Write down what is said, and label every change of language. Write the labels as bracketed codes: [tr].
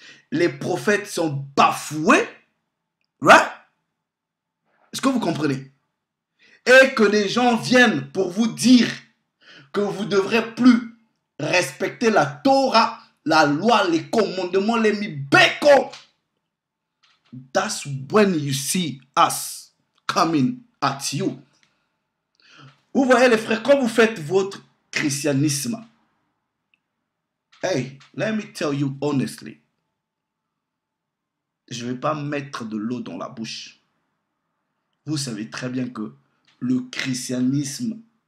[fr] Les prophètes sont bafoués, right? Est-ce que vous comprenez? Et que des gens viennent pour vous dire que vous ne devrez plus respecter la Torah, la loi, les commandements, les mibeko. [en] That's when you see us coming at you. [fr] Vous voyez les frères, quand vous faites votre christianisme. [en] Hey, let me tell you honestly. [fr] Je ne vais pas mettre de l'eau dans la bouche. Vous savez très bien que le christianisme